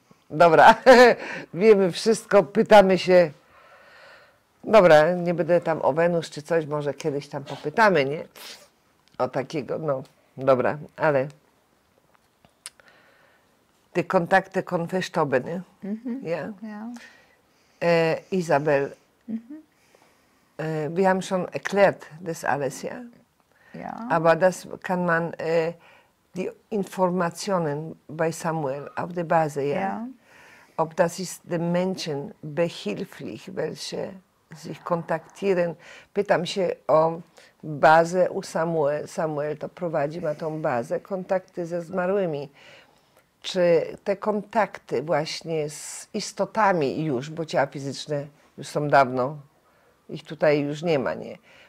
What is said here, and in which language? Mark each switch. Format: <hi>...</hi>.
<pl>Dobra, wiemy wszystko, pytamy się. Dobra, nie będę tam o Wenus czy coś, może kiedyś tam popytamy, nie? O takiego, no dobra, ale te kontakty konfesztowe, nie? Mm-hmm.</pl> <de>Ja? Yeah. Izabel, wir haben schon erklärt das alles, ja? Ja. Aber das kann man, die Informationen bei Samuel auf der Basis, ja? Yeah. Ob das ist den Menschen behilflich, welche sich kontaktieren.</de> <pl>Pytam się o bazę u Samuel. Samuel to prowadzi, ma tą bazę, kontakty ze zmarłymi. Czy te kontakty właśnie z istotami już, bo ciała fizyczne już są dawno, ich tutaj już nie ma, nie?</pl>